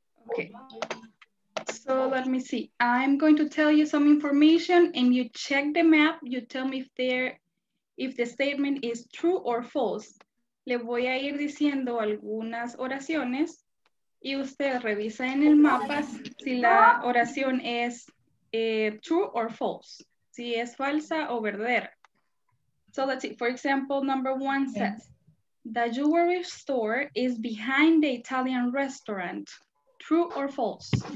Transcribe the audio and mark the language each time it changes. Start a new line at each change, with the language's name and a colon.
English: Okay. So let me see. I'm going to tell you some information and you check the map. You tell me if the statement is true or false.
Spanish: Le voy a ir diciendo algunas oraciones y usted revisa en el mapa si la oración es
English: true or false.
Spanish: Si es falsa o verdadera.
English: So let's see. For example, number one says, the jewelry store is behind the Italian restaurant. True or false?